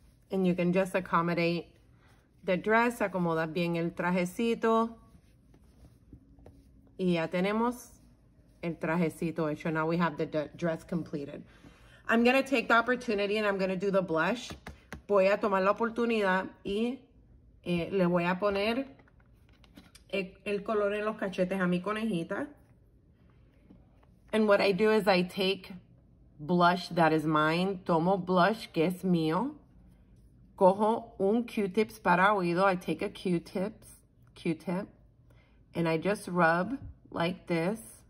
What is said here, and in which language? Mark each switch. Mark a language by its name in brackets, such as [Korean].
[English] And you can just accommodate the dress. [Spanish] Acomodas bien el trajecito. Y ya tenemos el trajecito hecho. [English] Now we have the dress completed. I'm going to take the opportunity and I'm going to do the blush. [Spanish] Voy a tomar la oportunidad y le voy a poner el color en los cachetes a mi conejita. [English] And what I do is I take blush that is mine. [Spanish] Tomo blush que es mío. Cojo un Q-tips para oído. [English] I take a Q-tip, and I just rub like this.